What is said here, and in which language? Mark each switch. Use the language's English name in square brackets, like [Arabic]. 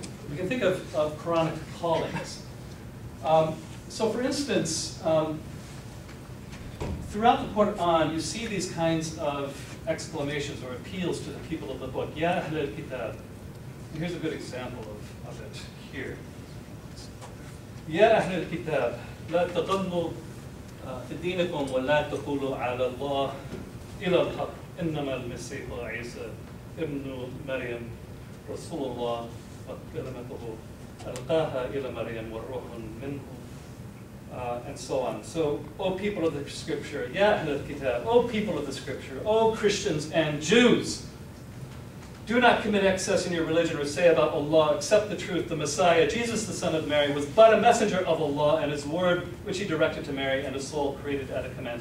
[English] We can think of Qur'anic callings. So for instance, throughout the Qur'an, you see these kinds of exclamations or appeals to the people of the book. [Arabic] Ya ahl al-kitab. [English] Here's a good example of it here. [Arabic] يا أهل الكتاب لا تغلوا في دينكم ولا تقولوا على الله إلى الحق إنما المسيح عيسى ابن مريم رسول الله وكلمته ألقاها إلى مريم والروح منه [English] and so on. So, O people of the scripture, [Arabic] يا أهل الكتاب, [English] O people of the scripture, O Christians and Jews, do not commit excess in your religion or say about Allah, except the truth, the Messiah, Jesus the Son of Mary, was but a messenger of Allah and his word, which he directed to Mary and a soul created at a command.